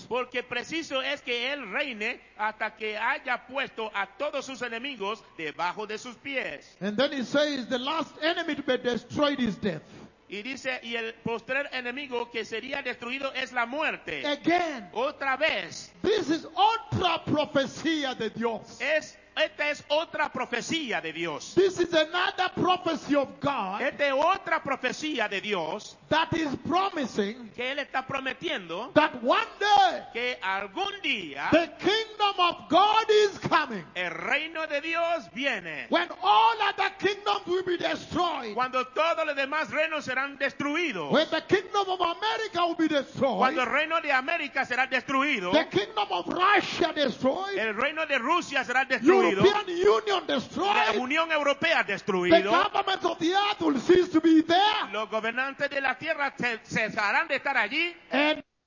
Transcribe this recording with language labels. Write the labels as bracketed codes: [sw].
[es] Porque preciso es que él reine hasta que haya puesto a todos sus enemigos debajo de sus pies. [en] And then he says the last enemy to be destroyed is death. [es] Y dice, y el postrer enemigo que sería destruido es la muerte. [en] Again, [es] otra vez. [en] This is [es] otra profecía de Dios. Esta es otra profecía de Dios. [en] This is another prophecy of God. [es] Esta es otra profecía de Dios. [en] That is promising. [es] Que él está prometiendo. [en] That one day. [es] Que algún día. [en] The kingdom of God is coming. [es] El reino de Dios viene. [en] When all other kingdoms will be destroyed. [es] Cuando todos los demás reinos serán destruidos. [en] When the kingdom of America will be destroyed. [es] Cuando el reino de América será destruido. [en] The kingdom of Russia destroyed. [es] El reino de Rusia será destruido. [en] European Union destroyed. [es] La Unión Europea destruido. [en] The government of the earth will cease to be there. [es] Los gobernantes de la tierra cesarán de estar allí. [en] And